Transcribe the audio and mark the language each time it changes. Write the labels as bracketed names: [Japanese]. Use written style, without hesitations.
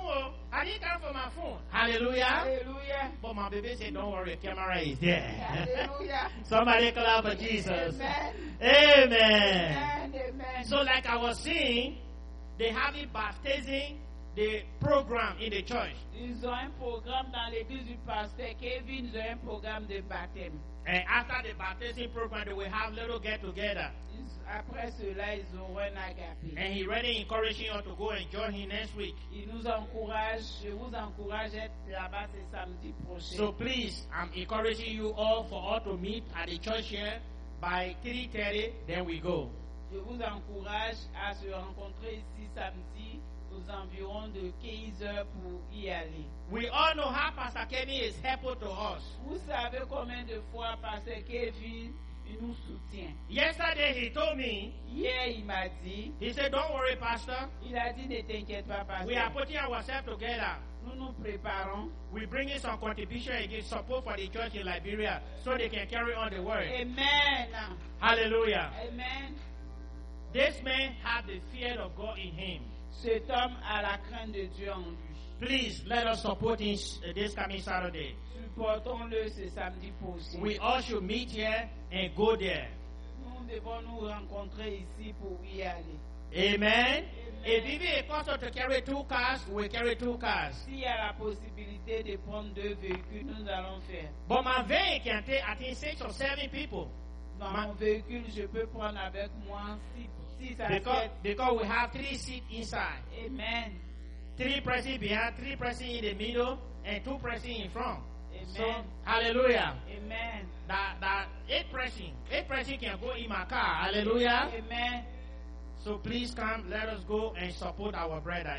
[English] Oh. I didn't come for my phone. Hallelujah. Hallelujah. But my baby said, don't worry, camera is there. Hallelujah. Somebody clap for Jesus. Amen. Amen. Amen. So, like I was saying, they have a baptism. The program in the church. [French] Ils ont un programme dans l'église du pasteur Kevin. Ils ont un programme de baptême. [English] And after the baptism program, they will have little get together. [French] Après cela, ils auront un agapé. [English] And he really encouraging you to go and join him next week. [French] Il nous encourage. Je vous encourage être là-bas ce samedi prochain. [English] So please, I'm encouraging you all for all to meet at the church here by 3:30. Then we go. [French] Je vous encourage à se rencontrer ici samedi. Aux environs de 15 heures pour y aller. [English] We all know how Pastor Kevin is helpful to us. [French] Vous savez combien de fois Pastor Kevin nous soutient. [English] Yesterday he told me. [French] Hier il m'a dit. [English] He said, "Don't worry, Pastor." [French] Il a dit, "Ne t'inquiète pas, Pastor." [English] We are putting ourselves together. [French] Nous nous préparons. [English] We bring in some contribution and give support for the church in Liberia so they can carry on the word. Amen. Hallelujah. Amen. This man had the fear of God in him. [French] Cet homme a la crainte de Dieu en lui. [English] Please, let us support him this coming Saturday. [French] Supportons-le ce samedi prochain. [English] We all should meet here and go there. [French] Nous devons nous rencontrer ici pour y aller. [English] Amen. Amen. If you be a pastor to carry two cars, we carry two cars. [French] S'il y a la possibilité de prendre deux véhicules, nous allons faire. [English] But my van can take, I think, 6 or 7 people. [French] Dans mon véhicule, je peux prendre avec moi 6. [English] Because we have 3 seats inside. Amen. 3 pressing behind, 3 pressing in the middle, and 2 pressing in front. Amen. So, hallelujah. Amen. That 8 pressing can go in my car. Hallelujah. Amen. So please come, let us go and support our brother.